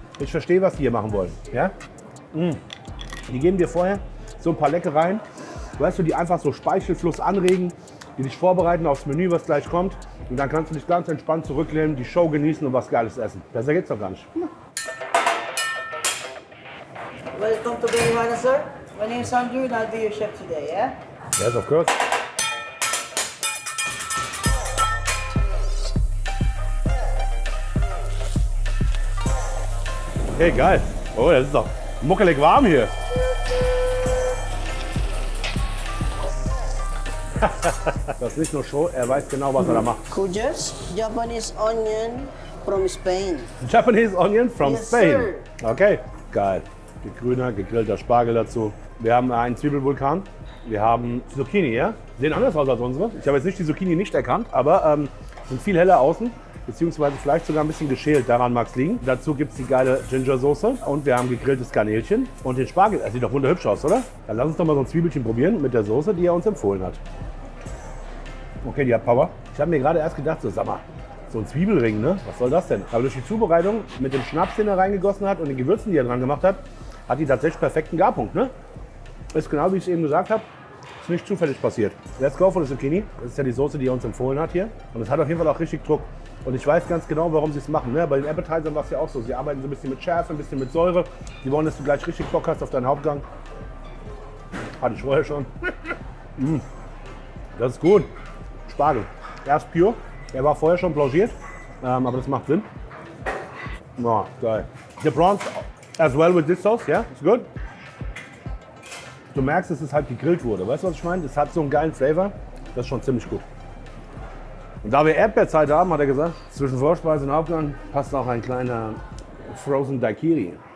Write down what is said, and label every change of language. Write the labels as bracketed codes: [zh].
[de] Ich verstehe, was die hier machen wollen, ja? Die geben dir vorher so ein paar Leckereien, weißt du, die einfach so Speichelfluss anregen, die dich vorbereiten aufs Menü, was gleich kommt. Und dann kannst du dich ganz entspannt zurücklehnen, die Show genießen und was Geiles essen. Besser geht's doch gar nicht. [en] Welcome to Berlin, sir. My name is Andrew and I'll be your chef today, yeah? Yes, of course. [de] Hey, geil. Oh, das ist doch muckelig warm hier. Das ist nicht nur Show, er weiß genau, was er da macht. [en] Kujas, Japanese Onion from Spain. Japanese Onion from yes, Spain. Sir. [de] Okay, geil. Gegrüner, gegrillter Spargel dazu. Wir haben einen Zwiebelvulkan. Wir haben Zucchini, ja? Sehen anders aus als unsere. Ich habe jetzt nicht die Zucchini nicht erkannt, aber sind viel heller außen. Beziehungsweise vielleicht sogar ein bisschen geschält, daran mag es liegen. Dazu gibt es die geile Ginger-Soße und wir haben gegrilltes Garnelchen und den Spargel. Er sieht doch wunderhübsch aus, oder? Dann lass uns doch mal so ein Zwiebelchen probieren mit der Soße, die er uns empfohlen hat. Okay, die hat Power. Ich habe mir gerade erst gedacht, so, sag mal, so ein Zwiebelring, ne? Was soll das denn? Aber durch die Zubereitung mit dem Schnaps, den er reingegossen hat und den Gewürzen, die er dran gemacht hat, hat die tatsächlich perfekten Garpunkt, ne? Ist genau, wie ich es eben gesagt habe. Nicht zufällig passiert. [en] Let's go for the Zucchini. [de] Das ist ja die Soße, die er uns empfohlen hat hier. Und es hat auf jeden Fall auch richtig Druck. Und ich weiß ganz genau, warum sie es machen. Ne? Bei den Appetizern war es ja auch so. Sie arbeiten so ein bisschen mit Schärfe, ein bisschen mit Säure. Die wollen, dass du gleich richtig Bock hast auf deinen Hauptgang. Hatte ich vorher schon. Das ist gut. Spargel. Erst pure. Er war vorher schon blanchiert. Aber das macht Sinn. Na, geil. [en] The prawns as well with this sauce. Yeah, it's good. [de] Du merkst, dass es halt gegrillt wurde. Weißt du, was ich meine? Das hat so einen geilen Flavor. Das ist schon ziemlich gut. Und da wir Erdbeerzeit haben, hat er gesagt, zwischen Vorspeise und Hauptgang passt auch ein kleiner Frozen Daiquiri.